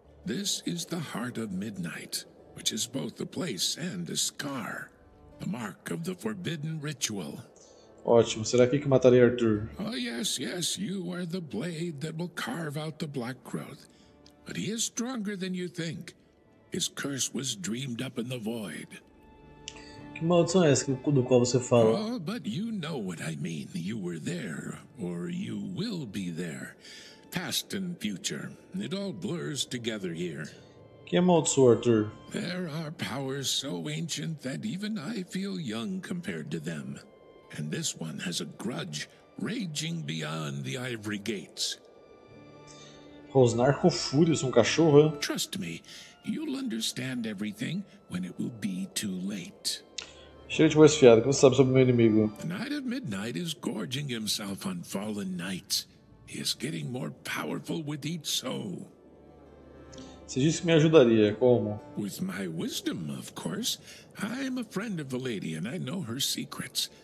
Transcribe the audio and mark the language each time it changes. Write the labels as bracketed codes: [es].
[en] This is the heart of midnight, which is both a place and a scar. The mark of the forbidden ritual. [pt] Ótimo. Será que mataria Arthur? [en] Oh, yes, yes. You are the blade that will carve out the black growth. But he is stronger than you think. His curse was dreamed up in the void. [pt] Que maldição é essa do qual você fala? [en] Oh, but you know what I mean. You were there, or you will be there. Past and future. It all blurs together here. [pt] Quem amaldiçoou Arthur? [en] There are powers so ancient that even I feel young compared to them. And this one has a grudge raging beyond the ivory gates. [pt] Rosnar com fúria, sou um cachorro, hein? [en] Trust me, you'll understand everything when it will be too late. [pt] Cheio de voz fiada, o que você sabe sobre o meu inimigo? [en] The Knight of Midnight is gorging himself on fallen knights. He is getting more powerful with each soul. [pt] Você disse que me ajudaria, como? [en] With my wisdom, of course. I'm a friend of the lady and I know her secrets.